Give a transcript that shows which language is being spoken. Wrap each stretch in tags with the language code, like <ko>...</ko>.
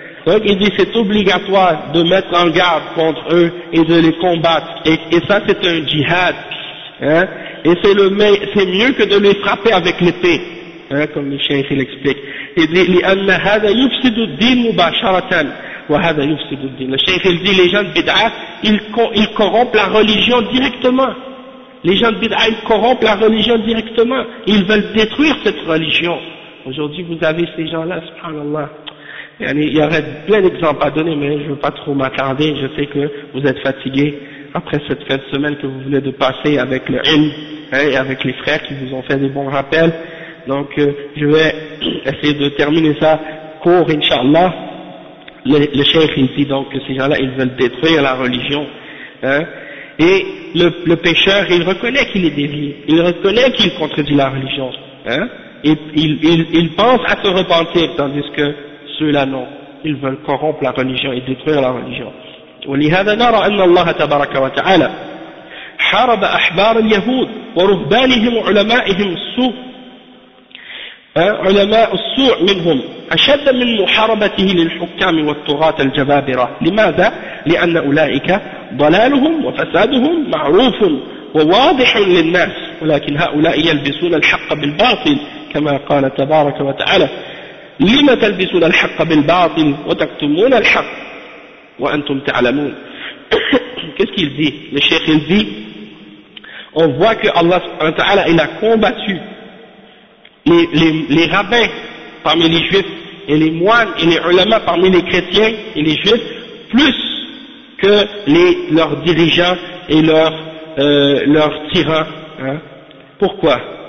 <fr>Donc il dit, c'est obligatoire de mettre en garde contre eux et de les combattre. Et ça, c'est un djihad. Hein? Et c'est mieux que de les frapper avec l'épée. Hein? Comme le chien ici l'explique.</fr> <ar>لأن هذا يفسد الدين مباشرة وهذا يفسد الدين. الشيخ يقول</ar> <fr>les gens de bid'a ils corrompent la religion directement. Les gens de bid'a ils corrompent la religion directement. Ils veulent détruire cette religion. Aujourd'hui vous avez ces gens là, subhanallah. Il y aurait plein d'exemples à donner, mais je ne veux pas trop m'attarder. Je sais que vous êtes fatigués après cette fin de semaine que vous venez de passer avec le ilm, hein, et avec les frères qui vous ont fait des bons rappels. Donc je vais essayer de terminer ça court, Inch'Allah. Le cheikh il dit donc que ces gens-là, ils veulent détruire la religion. Hein. Et le pécheur, il reconnaît qu'il est dévié, il reconnaît qu'il contredit la religion. Hein. Et il pense à se repentir, tandis que ceux-là non, ils veulent corrompre la religion et détruire la religion.</fr> <ar>وَلِهَذَا نَرَى أَنَّ اللَّهَ تَبَارَكَ وَتَعَالَى حَارَبَ أَحْبَارَ الْيَهُودِ وَرُهْبَانِهِمْ وَعُلَمَائِهِمْ السُّوءِ علماء السوء منهم أشد من محاربته للحكام والطغاة الجبابرة. لماذا؟ لأن أولئك ضلالهم وفسادهم معروف وواضح للناس، ولكن هؤلاء يلبسون الحق بالباطل، كما قال تبارك وتعالى: لم تلبسون الحق بالباطل وتكتمون الحق وأنتم تعلمون. كيف يلزي الشيخ يلزي</ar> <fr>on voit que Allah il a combattu les rabbins parmi les juifs et les moines et les ulama parmi les chrétiens et les juifs plus que leurs dirigeants et leurs tyrans. Hein. Pourquoi?</fr>